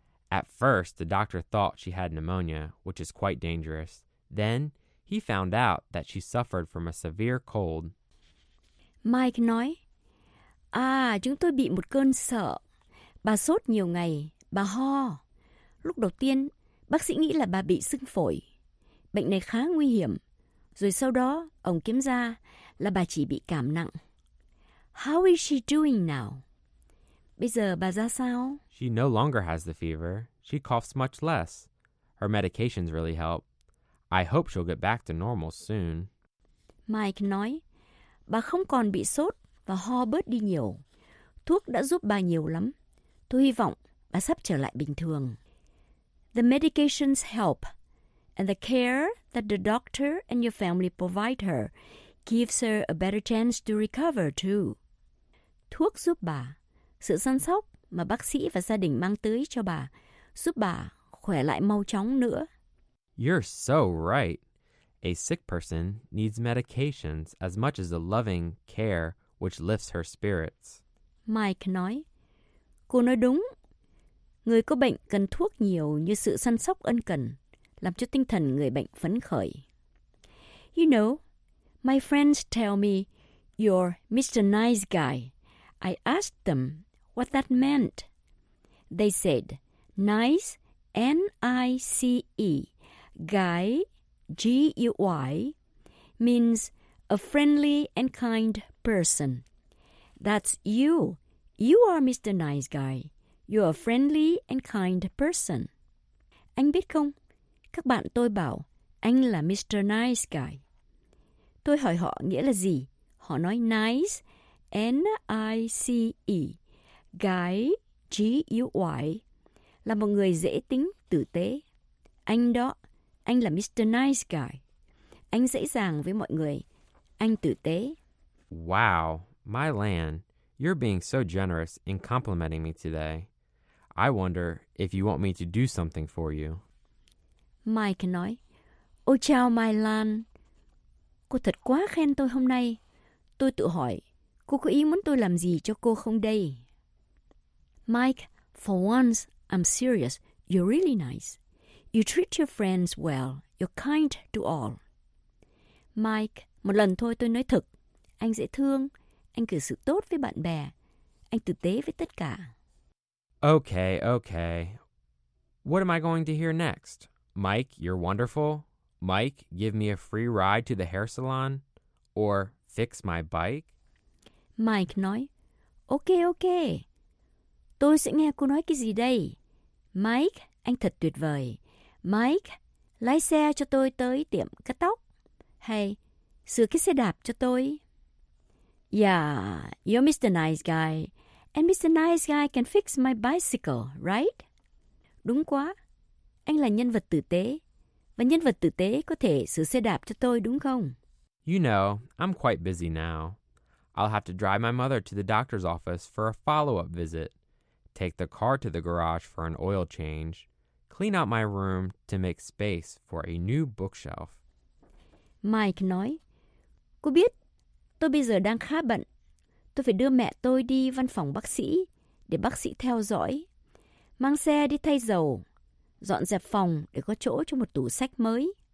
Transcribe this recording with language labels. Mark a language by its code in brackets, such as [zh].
[en] At first, the doctor thought she had pneumonia, which is quite dangerous. Then, he found out that she suffered from a severe cold. [vi] Mike nói, À, chúng tôi bị một cơn sợ. Bà sốt nhiều ngày, bà ho. Lúc đầu tiên, bác sĩ nghĩ là bà bị sưng phổi. Bệnh này khá nguy hiểm. Rồi sau đó, ông kiểm tra là bà chỉ bị cảm nặng. [en] How is she doing now? [vi] Bây giờ bà ra sao? [en] She no longer has the fever. She coughs much less. Her medications really help. I hope she'll get back to normal soon. [vi] Mike nói, bà không còn bị sốt và ho bớt đi nhiều. Thuốc đã giúp bà nhiều lắm. Tôi hy vọng bà sắp trở lại bình thường. [en] The medications help. And the care that the doctor and your family provide her gives her a better chance to recover, too. [vi] Thuốc giúp bà. Sự săn sóc mà bác sĩ và gia đình mang tới cho bà giúp bà khỏe lại mau chóng nữa. [en] You're so right. A sick person needs medications as much as the loving care which lifts her spirits. [vi] Mike nói, Cô nói đúng. Người có bệnh cần thuốc nhiều như sự săn sóc ân cần, làm cho tinh thần người bệnh phấn khởi. [en] You know, my friends tell me you're Mr. Nice Guy. I asked them what that meant. They said nice, N-I-C-E, guy, G-U-Y, means a friendly and kind person. That's you. You are Mr. Nice Guy. You're a friendly and kind person. [vi] Anh biết không? Các bạn tôi bảo, anh là Mr. Nice Guy. Tôi hỏi họ nghĩa là gì? Họ nói nice, N-I-C-E, guy, G-U-Y, là một người dễ tính, tử tế. Anh đó, anh là Mr. Nice Guy. Anh dễ dàng với mọi người, anh tử tế. [en] Wow, my Lan, you're being so generous in complimenting me today. I wonder if you want me to do something for you. [vi] Mike nói, Ôi chào Mai Lan, cô thật quá khen tôi hôm nay. Tôi tự hỏi, cô có ý muốn tôi làm gì cho cô không đây? [en] Mike, for once, I'm serious. You're really nice. You treat your friends well. You're kind to all. [vi] Mike, một lần thôi tôi nói thật. Anh dễ thương. Anh cư xử tốt với bạn bè. Anh tử tế với tất cả. [en] Okay, okay. What am I going to hear next? Mike, you're wonderful. Mike, give me a free ride to the hair salon. Or fix my bike. [vi] Mike nói, okay, okay. Tôi sẽ nghe cô nói cái gì đây? Mike, anh thật tuyệt vời. Mike, lái xe cho tôi tới tiệm cắt tóc. Hay, sửa cái xe đạp cho tôi. [en] Yeah, you're Mr. Nice Guy. And Mr. Nice Guy can fix my bicycle, right? [vi] Đúng quá. Anh là nhân vật tử tế. Và nhân vật tử tế có thể sửa xe đạp cho tôi, đúng không? [en] You know, I'm quite busy now. I'll have to drive my mother to the doctor's office for a follow-up visit. Take the car to the garage for an oil change. Clean out my room to make space for a new bookshelf. [vi] Mike nói, cô biết, tôi bây giờ đang khá bận. Tôi phải đưa mẹ tôi đi văn phòng bác sĩ để bác sĩ theo dõi. Mang xe đi thay dầu. Dọn dẹp phòng để có chỗ cho một tủ sách mới.